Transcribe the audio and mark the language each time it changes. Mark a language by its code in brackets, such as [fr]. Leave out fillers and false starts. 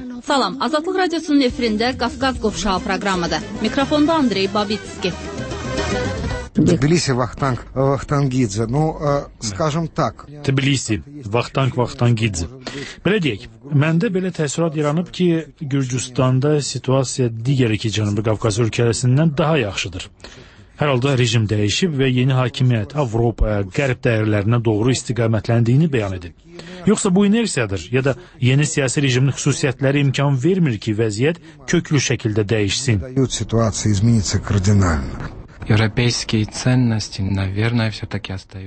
[az] Azadlıq Radiosunun efirində Qafqaz Qovşağı proqramıdır. Mikrofonda Andrey Babitski. [ru] Тбилиси Вахтанг Вахтангидзе. Ну, скажем так. Тбилиси Вахтанг Вахтангидзе. [az] Belə deyək, məndə belə təəssürat yaranıb ki, Gürcüstanda situasiya digər iki Cənubi Qafqaz ölkələrindən daha yaxşıdır. Hər halda rejim dəyişib və yeni hakimiyyət Avropaya, qərb dəyərlərinə doğru istiqamətləndiyini bəyan edib. Yoxsa bu inersiyadır, ya da yeni siyasi rejimin xüsusiyyətləri imkan vermir ki, vəziyyət köklü şəkildə dəyişsin.